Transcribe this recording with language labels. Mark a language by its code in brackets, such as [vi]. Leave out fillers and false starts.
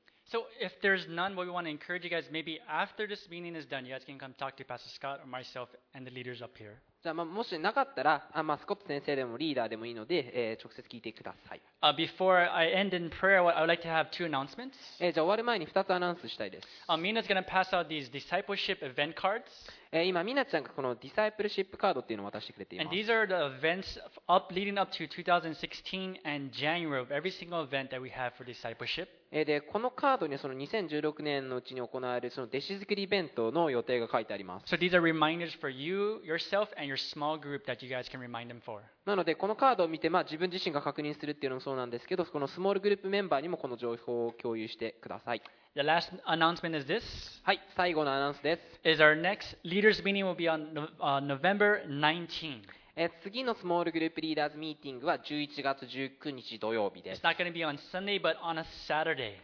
[en] So if there's none, what we want to encourage you guys, maybe after this meeting is done, you guys can come talk to Pastor Scott or myself and the leaders up here. [ja] じゃあ、まあ、もしなかったら、あ、まあ、スコット先生でもリーダーでもいいので、直接聞いてください。 [en] Before I end in prayer, I would like to have two announcements. [ja] じゃあ終わる前に2つアナウンスしたいです。 [en] Mina's gonna pass out these discipleship event cards. [ja] 今、ミナちゃんがこのディサイプルシップカードっていうのを渡してくれています。 [en] And these are the events up leading up to 2016 and January of every single event that we have for discipleship. [ja] でこのカードにその2016年のうちに行われるその弟子作りイベントの予定が書いてあります。 [en] So these are reminders for you, yourself, and your small group that you guys can remind them for. [ja] なのでこのカードを見て、まあ、自分自身が確認するっていうのもそうなんですけど、このスモールグループメンバーにもこの情報を共有してください。 [en] The last announcement is this. [ja] はい、最後のアナウンスです。 [en] Is our next leaders meeting will be on November 19th. [ja] 次のスモールグループリーダーズミーティングは11月19日土曜日です。 [en] It's not going to be on Sunday, but on a Saturday.